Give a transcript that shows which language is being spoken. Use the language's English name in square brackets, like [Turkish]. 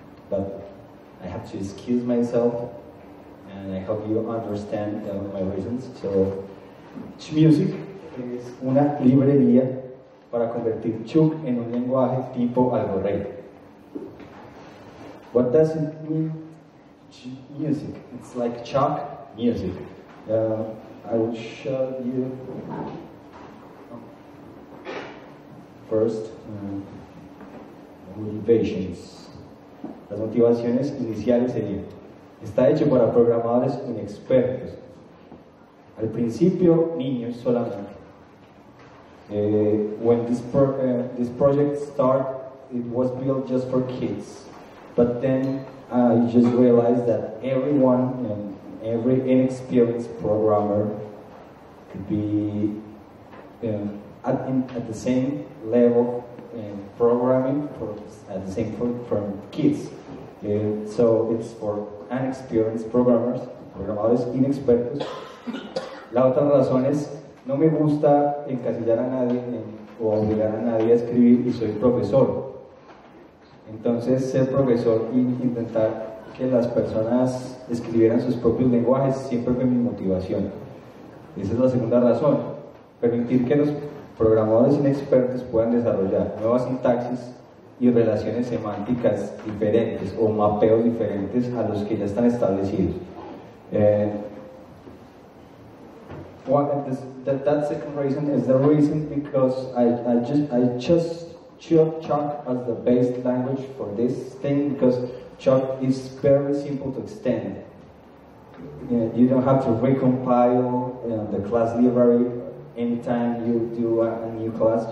[English] But I have to excuse myself, and I hope you understand my reasons. So, CHmUsiCK is [Spanish] una librería para convertir CHuck en un lenguaje tipo algorave. [English] What does it mean, CHmUsiCK? It's like CHuck music. I will show you first motivations. [Spanish] Las motivaciones iniciales serían: está hecho para programadores inexpertos. Al principio, niños solamente. [English] When this project started, it was built just for kids. But then I just realized that everyone and every inexperienced programmer could be at the same level in programming from kids. So it's for inexperienced programmers, [Spanish] programadores inexpertos. La otra razón es, no me gusta encasillar a nadie o obligar a nadie a escribir y soy profesor. Entonces, ser profesor e intentar que las personas escribieran sus propios lenguajes siempre fue mi motivación. Esa es la segunda razón. Permitir que los programadores inexpertos puedan desarrollar nuevas sintaxis y relaciones semánticas diferentes o mapeos diferentes a los que ya están establecidos. [English] That second reason is the reason because I just chose CHuck as the base language for this thing because CHuck is very simple to extend. You don't have to recompile the class library anytime you do a new class.